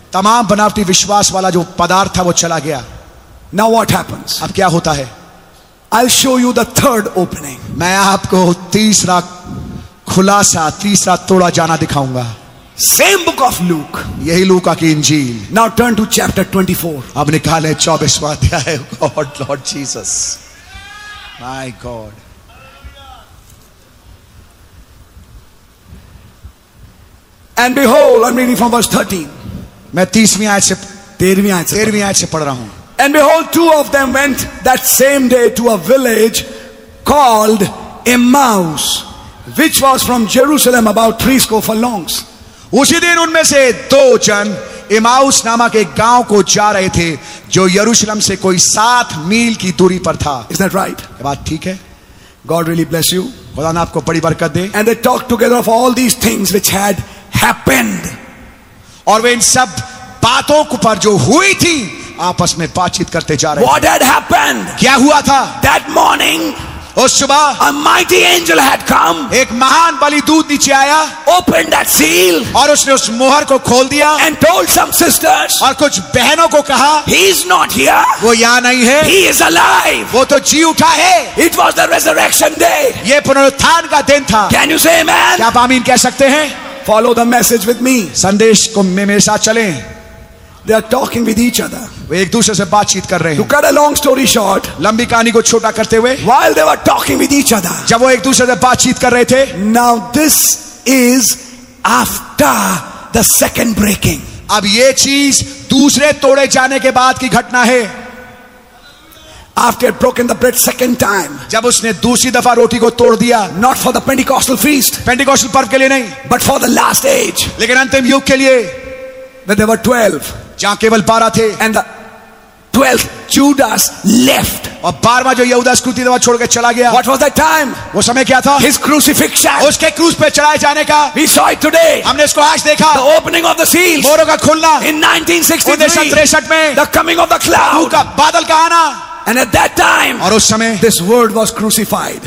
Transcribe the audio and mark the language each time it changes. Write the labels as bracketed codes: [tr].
[hi] तमाम बनावटी विश्वास वाला जो पदार्थ था वो चला गया. [en] Now what happens? [hi] अब क्या होता है? [en] I'll show you the third opening. [hi] मैं आपको तीसरा खुलासा, तीसरा तोड़ा जाना दिखाऊंगा. [en] Same book of Luke. [hi] यही लूका की इंजील. [en] Now turn to chapter 24. [hi] अब निकालें 24वां अध्याय. [en] God, Lord Jesus. My God. And behold, I'm reading from verse 13. [hi] मैं 30वीं आयत से, 13वीं आयत से, 13वीं आयत से पढ़ रहा हूँ. [en] And behold, two of them went that same day to a village called Emmaus, which was from Jerusalem about 3 score furlongs. [hi] उसी दिन उनमें से दो जन इमाउस नामक एक गांव को जा रहे थे, जो यरूशलेम से कोई 7 मील की दूरी पर था. [en] Is that right? [hi] ये बात ठीक है? [en] God really bless you. [hi] खुदा ने आपको बड़ी बरकत दे. [en] And they talked together of all these things which had happened. [hi] और वे इन सब बातों को पर जो हुई थी आपस में बातचीत करते जा रहे. [en] What had happened? [hi] क्या हुआ था? [en] That morning, [hi] उस सुबह, [en] a mighty angel had come, [hi] एक महान बलि दूत नीचे आया, [en] opened that seal, [hi] और उसने उस मोहर को खोल दिया, [en] and told some sisters, [hi] और कुछ बहनों को कहा, [en] he is not here, [hi] वो यहाँ नहीं है, [en] he is alive, [hi] वो तो जी उठा है. [en] It was the resurrection day, [hi] ये पुनरुत्थान का दिन था. [en] Can you say amen? [hi] क्या आप आमीन कह सकते हैं? [en] Follow the message with me, [hi] संदेश को मेरे साथ चलें. [en] They are talking with each other. [hi] वे एक दूसरे से बातचीत कर रहे हैं. [en] To cut a long story short, [hi] लंबी कहानी को छोटा करते हुए, [en] while they were talking with each other, [hi] जब वो एक दूसरे से बातचीत कर रहे थे, [en] now this is after the second breaking. [hi] अब ये चीज दूसरे तोड़े जाने के बाद की घटना है. [en] After he had broken the bread second time. [hi] जब उसने दूसरी दफा रोटी को तोड़ दिया. [en] Not for the Pentecostal feast. [hi] Pentecostal पर्व के लिए नहीं. [en] But for the last age. [hi] लेकिन अंतिम युग के लिए. [en] When there were 12. [hi] जहाँ केवल 12 थे. [en] And the 12th Judas left. [hi] और बारहवां जो यहूदा इस्क्रियोती दफा छोड़कर चला गया. [en] What was that time? [hi] वो समय क्या था? [en] His crucifixion. [hi] उसके क्रूस पे चलाए जाने का. [en] We saw it today. [hi] हमने इसको आज देखा. [en] The opening of the seals. [hi] मोरों का खुलना. [en] In 1963. [hi] में. [en] The coming of the cloud. [hi] का बादल का आना. [en] And at that time, [hi] और उस समय, [en] this word was crucified.